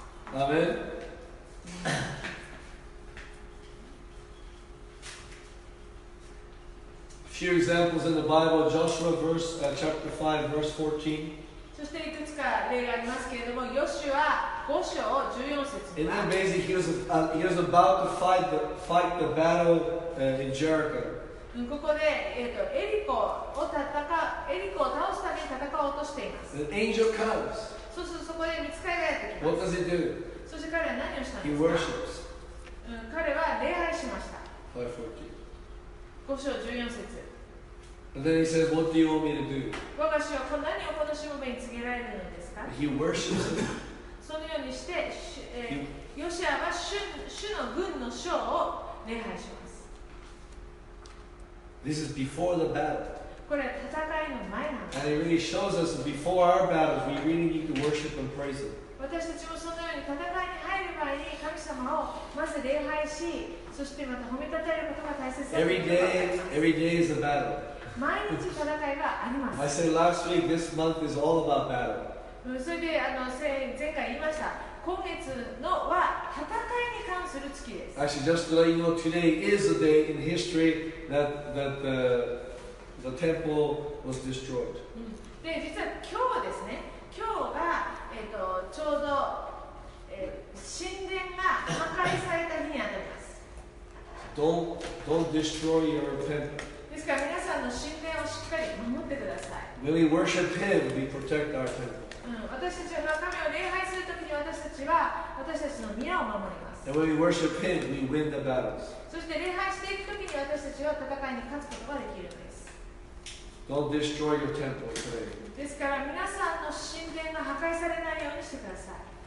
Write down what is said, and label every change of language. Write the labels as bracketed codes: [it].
[ja] アメン。 [en] A few examples in the Bible. Joshua verse, chapter 5, verse 14. [ja] そしていくつか例がありますけれども、ヨシュア5章14節。 [en] In that amazing, he was about to fight the battle in Jericho. [ja] ここで、エリコを倒すために戦おうとしています。 [en] The angel comes. [ja] そうするとそこで御使いがやってきます。 [en] What does he do? [ja] そして彼は何をしたんですか。 [en] He worships. [ja] 彼は礼拝しました。 5 章14節。And [en] then he says, What do you want me to do? [ja] 我が主は何をこのしもべに告げられるのですか。 [en] He worships. [ja] そのようにしてヨシアは 主の軍の将を礼拝します。 [en] This is before the battle. [ja] これは戦いの前なんです。 [en] And it really shows us that before our battles, we really need to worship and praise Him. [ja] 私たちもそのように戦いに入る前に神様をまず礼拝し、そしてまた褒め立てることが大切です。 [en] Every day is a battle. [ja] 毎日戦いがあります。 [en] I said last week, this month is all about battle. [ja] それで前回言いました。今月のは戦いに関する月です。 [en] Actually, just to let you know, today is a day in history that the temple was destroyed. [ja] で、実は今日ですね、今日がちょうど、神殿が破壊された日にあたります。 [en] don't destroy your temple. [ja] ですから皆さんの神殿をしっかり守ってください。 [en] When we worship him, we protect our temple. [ja] 私たちは神を礼拝するときに私たちは私たちの宮を守ります。 [en] And when we worship him, we win the battles. [ja] そして礼拝していくときに私たちは戦いに勝つことができるんです。 [en] Don't destroy your temple today. [ja] ですから皆さんの神殿が破壊されないようにしてください。